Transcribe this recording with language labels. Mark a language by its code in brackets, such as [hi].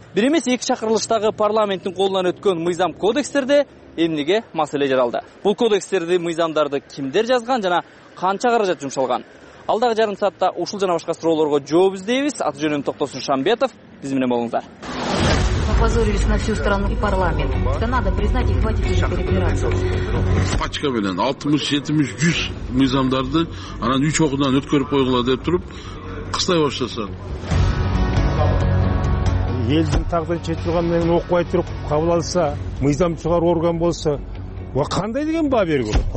[ky] Бир эмес эки чакырылыштагы парламенттин колунан өткөн мыйзам кодекстерде эмнеге маселе жаралды? Бул кодекстерди, мыйзамдарды кимдер жазган жана канча каражат жумшалган? Алдагы жарым саатта ушул жана башка суроолорго жооп издейбиз. Аты жөнүм Токтосун Шамбетов, биз менен болуңуздар. [ru] Опозорились на всю страну и парламент. Это надо признать и хватит уже перепираться. [ky] Пачка менен 60-70-100 мыйзамдарды анан 3 окуудан өткөрүп койгула деп туруп кыстай баштаса. Элдин тагдыры чечип турган менен окубай туруп кабыл алса, мыйзам чыгаруу орган болсо, кандай деген баа берүү?